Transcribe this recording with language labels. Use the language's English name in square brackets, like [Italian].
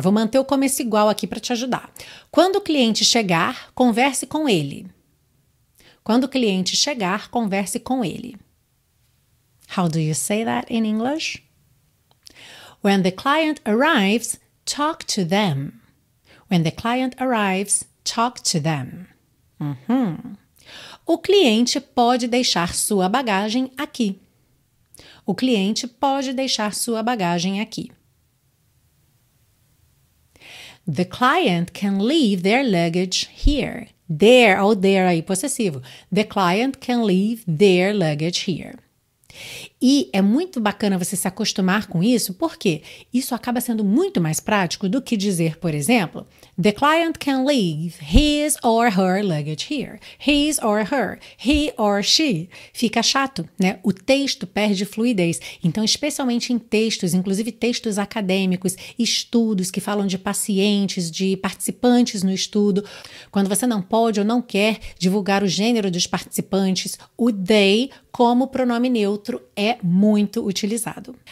[Portuguese] Vou manter o começo igual aqui para te ajudar. Quando o cliente chegar, converse com ele. Quando o cliente chegar, converse com ele. [English] How do you say that in English? When the client arrives, talk to them. When the client arrives, talk to them. Uh-huh. [Portuguese] O cliente pode deixar sua bagagem aqui. O cliente pode deixar sua bagagem aqui. [English] The client can leave their luggage here. [Portuguese] There, ou there aí, possessivo. [English] The client can leave their luggage here. [Portuguese] E é muito bacana você se acostumar com isso, porque isso acaba sendo muito mais prático do que dizer, por exemplo, [English] the client can leave his or her luggage here. His or her, he or she. [Portuguese] Fica chato, né? O texto perde fluidez. Então, especialmente em textos, inclusive textos acadêmicos, estudos que falam de pacientes, de participantes no estudo, quando você não pode ou não quer divulgar o gênero dos participantes, o they como pronome neutro é muito utilizado.